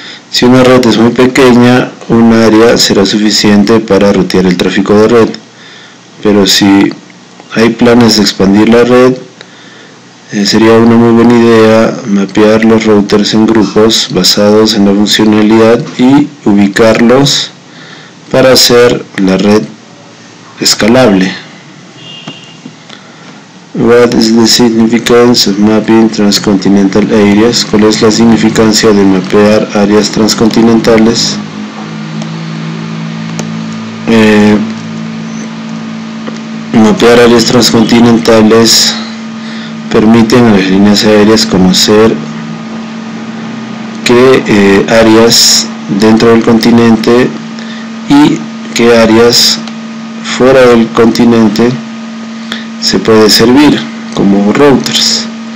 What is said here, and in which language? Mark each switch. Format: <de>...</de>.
<es>Si una red es muy pequeña, un área será suficiente para rutear el tráfico de red, pero si hay planes de expandir la red, sería una muy buena idea mapear los routers en grupos basados en la funcionalidad y ubicarlos para hacer la red escalable.</es> <en>What is the significance of mapping transcontinental areas?</en> <es>¿Cuál es la significancia de mapear áreas transcontinentales? Mapear áreas transcontinentales permiten a las líneas aéreas conocer qué áreas dentro del continente y qué áreas fuera del continente se puede servir como routers.</es>